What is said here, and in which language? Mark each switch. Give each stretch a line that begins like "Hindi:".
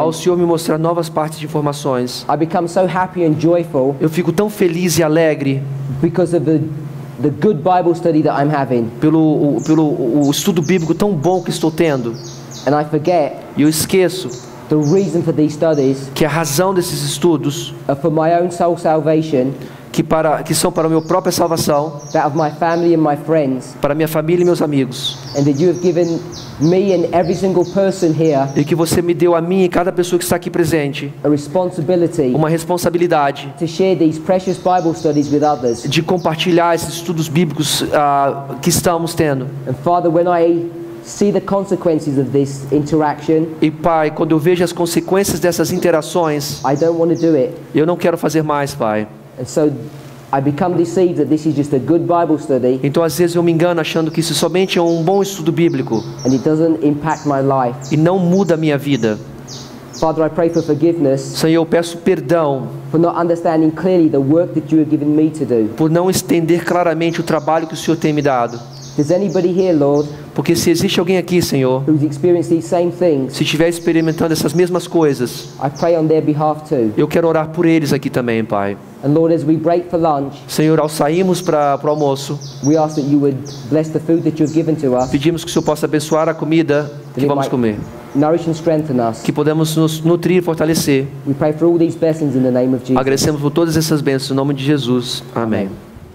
Portuguese: ao Senhor me mostrar novas partes de informações,
English: I become so happy and joyful,
Portuguese: eu fico tão feliz e alegre,
English: because of the good Bible study that I'm having,
Portuguese: pelo estudo bíblico tão bom que estou tendo.
English: And I forget,
Portuguese: e eu esqueço,
English: the reason for these studies,
Portuguese: que a razão desses estudos,
English: are for my own soul salvation,
Portuguese: que são para a minha própria salvação,
English: that of my family and my friends,
Portuguese: para minha família e meus amigos,
English: and that you have given me and every single person here,
Portuguese: e que você me deu a mim e cada pessoa que está aqui presente,
English: a responsibility,
Portuguese: uma responsabilidade,
English: to share these precious Bible studies with others,
Portuguese: de compartilhar esses estudos bíblicos que estamos tendo.
English: And Father, when I see the consequences of this interaction,
Portuguese: e Pai, quando eu vejo as consequências dessas interações,
English: I don't want to do it.
Portuguese: Eu não quero fazer mais, Pai.
English: And so I become deceived that this is just a good Bible study.
Portuguese: Então às vezes eu me engano achando que isso somente é um bom estudo bíblico.
English: And it doesn't impact my life.
Portuguese: E não muda a minha vida.
English: Father, I pray for forgiveness.
Portuguese: Senhor, eu peço perdão.
English: For not understanding clearly the work that you have given me to do.
Portuguese: Por não entender claramente o trabalho que o Senhor tem me dado.
English: Is anybody here, Lord?
Portuguese: Porque se existe alguém aqui, Senhor,
English: who's experienced these same things,
Portuguese: se estiver experimentando essas mesmas coisas,
English: I pray on their behalf too.
Portuguese: Eu quero orar por eles aqui também, Pai.
English: And Lord, as we break for lunch,
Portuguese: Senhor, ao sairmos para o almoço,
English: we ask that you would bless the food that you've given to us,
Portuguese: pedimos que o Senhor possa abençoar a comida que vamos comer,
English: nourish and strengthen us,
Portuguese: que podemos nos nutrir e fortalecer.
English: We pray for all these blessings in the name of Jesus.
Portuguese: Agradecemos por todas essas bênçãos, em nome de Jesus. Amém. Amém.